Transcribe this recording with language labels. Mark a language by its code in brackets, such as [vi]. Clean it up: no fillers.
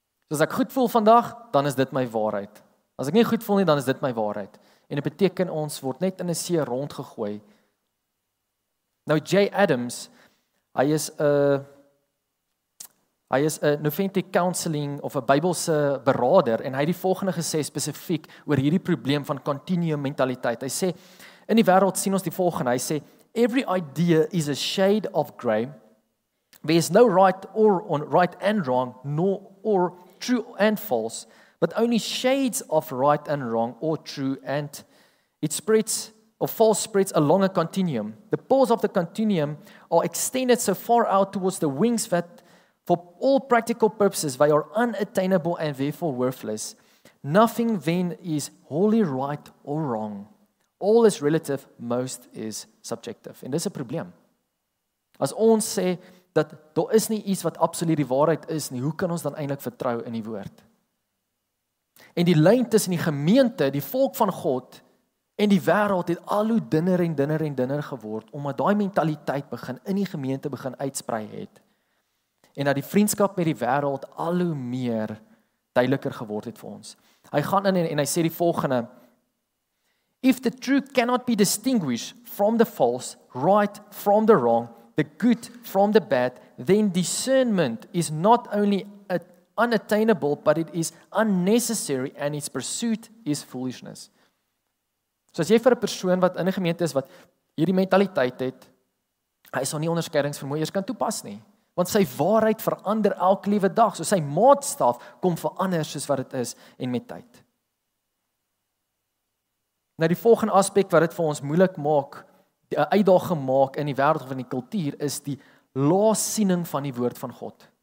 [af] As ek goed voel vandag, dan is dit my waarheid. As ek nie goed voel nie, dan is dit my waarheid. En dit beteken ons word net in 'n see rondgegooi. Nou J. Adams, hy is 'n Noventy Counseling of 'n Bybelse berader en hy het die volgende gesê spesifiek oor hierdie probleem van continuum mentaliteit. Hy sê in die wêreld sien ons die volgende. Hy sê [en] every idea is a shade of grey. There is no right or on right and wrong nor or true and false, but only shades of right and wrong or true and it spreads or false spreads along a continuum. The poles of the continuum are extended so far out towards the wings that for all practical purposes they are unattainable and therefore worthless. Nothing then is wholly right or wrong. All is relative, most is subjective. And this is a problem. [af] As ons sê, dat daar is nie iets wat absoluut die waarheid is nie. Hoe kan ons dan eintlik vertrou in die woord? En die lyn tussen die gemeente, die volk van God en die wêreld het al hoe dunner en dunner en dunner geword omdat daai mentaliteit begin in die gemeente begin uitsprei het. En dat die vriendskap met die wêreld al hoe meer duideliker geword het vir ons. Hy gaan in en hy sê die volgende: [en] If the true cannot be distinguished from the false, right from the wrong, the good from the bad, then discernment is not only unattainable, but it is unnecessary and its pursuit is foolishness. [af] So as jy vir 'n persoon wat in 'n gemeente is, wat hierdie mentaliteit het, hy sal nie onderskeidingsvermoë eers kan toepas nie. Want sy waarheid verander elke liewe dag, so sy maatstaf kom verander soos wat dit is en met tyd. Nou die volgende aspek wat dit vir ons moeilik maak, die uitdaging maak in die wêreld van die kultuur is die laasiening van die woord van God.